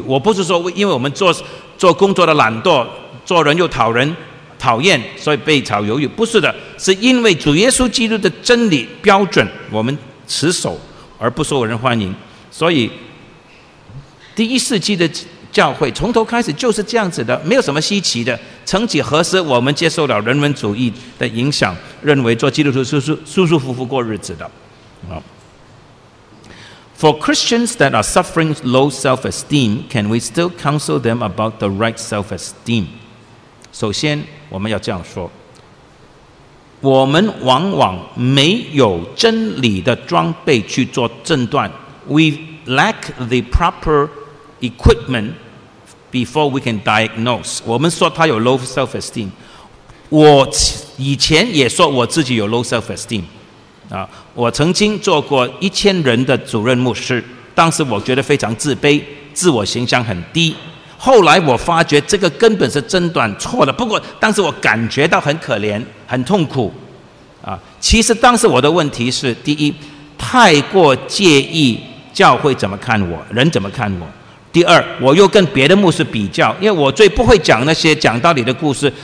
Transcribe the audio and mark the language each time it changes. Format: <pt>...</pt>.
<zh>我不是说因为我们 做工作的懒惰，做人又讨人讨厌，所以被炒鱿鱼，不是的，是因为主耶稣基督的真理标准我们持守而不受人欢迎。所以第一世纪的教会，从头开始就是这样子的，没有什么稀奇的。曾几何时我们接受了人文主义的影响，认为做基督徒是舒舒服服过日子的。</zh> <en>For Christians that are suffering low self-esteem, can we still counsel them about the right self-esteem?</en> <zh>首先，我们要这样说：我们往往没有真理的装备去做诊断。</zh> <en>We lack the proper equipment before we can diagnose.</en> <zh>我们说他有 low self-esteem. 我以前也说我自己有 low self-esteem. 我曾经做过1000人的主任牧师，当时我觉得非常自卑，自我形象很低。后来我发觉这个根本是诊断错了，不过当时我感觉到很可怜很痛苦，其实当时我的问题是，第一，太过介意教会怎么看我，人怎么看我；第二，我又跟别的牧师比较，因为我最不会讲那些讲道理的故事。</zh>